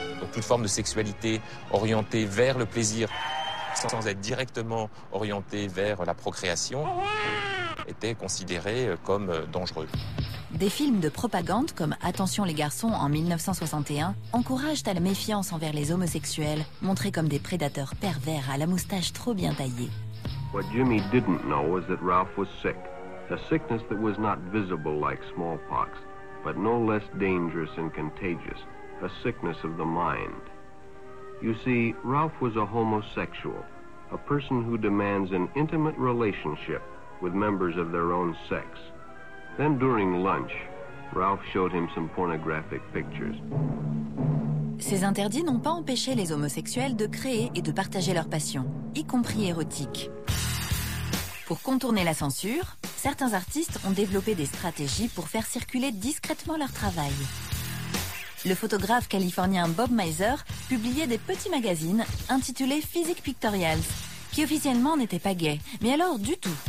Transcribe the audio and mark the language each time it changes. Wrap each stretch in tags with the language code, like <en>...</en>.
<fr>Donc, toute forme de sexualité orientée vers le plaisir sans être directement orienté vers la procréation, était considéré comme dangereux. Des films de propagande comme « Attention les garçons » en 1961 encouragent à la méfiance envers les homosexuels, montrés comme des prédateurs pervers à la moustache trop bien taillée.</fr> <en>What Jimmy didn't know was that Ralph was sick, a sickness that was not visible like smallpox, but no less dangerous and contagious, a sickness of the mind. You see, Ralph was a homosexual, a person who demands an intimate relationship with members of their own sex. Then during lunch, Ralph showed him some pornographic pictures.</en> <fr>Ces interdits n'ont pas empêché les homosexuels de créer et de partager leur passion, y compris érotique. Pour contourner la censure, certains artistes ont développé des stratégies pour faire circuler discrètement leur travail. Le photographe californien Bob Mizer publiait des petits magazines intitulés Physique Pictorials, qui officiellement n'étaient pas gays, mais alors du tout.</fr>